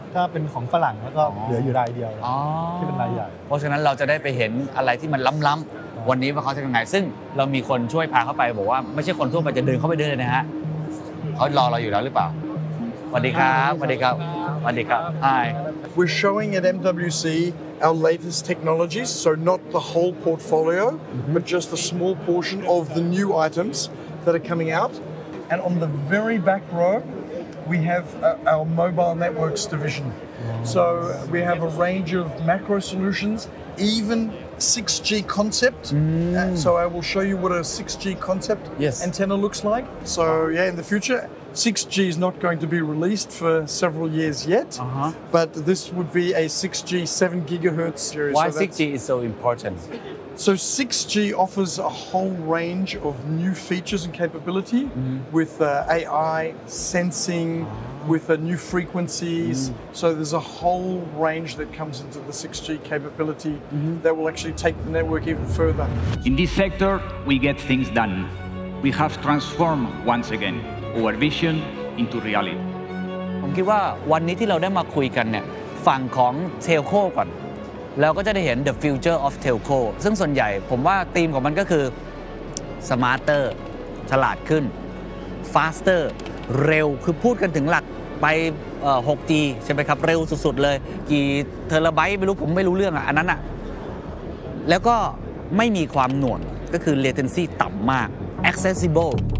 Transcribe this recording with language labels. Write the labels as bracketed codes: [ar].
[th] ถ้าเป็นของฝรั่งแล้วก็เหลืออยู่รายเดียวที่เป็นรายใหญ่ เพราะฉะนั้นเราจะได้ไปเห็นอะไรที่มันล้ำๆวันนี้ว่าเขาจะยังไงซึ่งเรามีคนช่วยพาเขาไปบอกว่าไม่ใช่คนทั่วไปจะเดินเข้าไปเดินเลยนะฮะเขารอเราอยู่แล้วหรือเปล่าสวัสดีครับสวัสดีครับสวัสดีครับ Hi [en] We're showing at MWC our latest technologies so not the whole portfolio but just a small portion of the new items that are coming out and on the very back row we have our mobile networks division so we have a range of macro solutions even 6G concept so I will show you what a 6G concept antenna looks like so yeah in the future 6G is not going to be released for several years yet but this would be a 6G 7 gigahertz series why so 6G is so important so 6G offers a whole range of new features and capability with AI sensing with the new frequencies so there's a whole range that comes into the 6G capability that will actually take the network even further in this sector we get things done we have transformed once again our vision into reality [th] คิดว่าวันนี้ที่เราได้มาคุยกันเนี่ยฝั่งของเทลโคก่อนเราก็จะได้เห็น [en] the future of telco [th] ซึ่งส่วนใหญ่ผมว่าธีมของมันก็คือ smarter ฉลาดขึ้น faster เร็วคือพูดกันถึงหลักไป 6G ใช่ไหมครับเร็วสุดๆเลยกี่เทราไบต์ไม่รู้ผมไม่รู้เรื่องอ่ะอันนั้นอ่ะแล้วก็ไม่มีความหน่วงก็คือ latency ต่ำมาก accessible